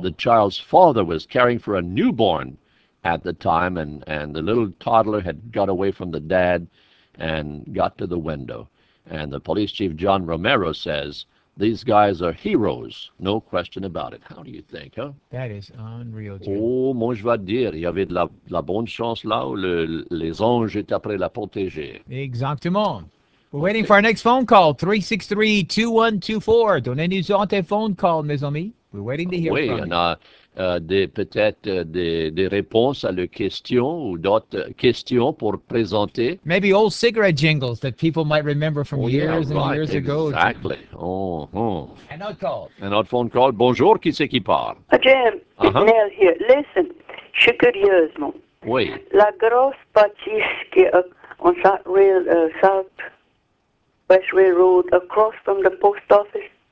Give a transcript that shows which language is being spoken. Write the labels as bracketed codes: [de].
[en] The child's father was caring for a newborn at the time, and the little toddler had got away from the dad and got to the window. And the police chief, John Romero, says, these guys are heroes, no question about it. How do you think, huh? That is unreal, Jim. [fr] Oh, moi, je vais dire, il y avait de la bonne chance là où les anges étaient prêts à la protéger. Exactement. [en] We're waiting for our next phone call, 363-2124. [fr] Donnez-nous un téléphone call, mes amis. [en] We're waiting to hear [fr] oui, [en] from you. [fr] Oui, on a peut-être des réponses à la question ou d'autres questions pour présenter. [en] Maybe old cigarette jingles that people might remember from oh, years yeah, right. and years exactly. ago. Exactly. Oh. Another call. Another phone call. [fr] Bonjour, qui c'est qui parle? [en] Jim, uh-huh. It's Nell here. Listen, [fr] je suis curieusement. Oui. La grosse bâtisse qui est on sort rail, South West Railroad, [en] across from the post office.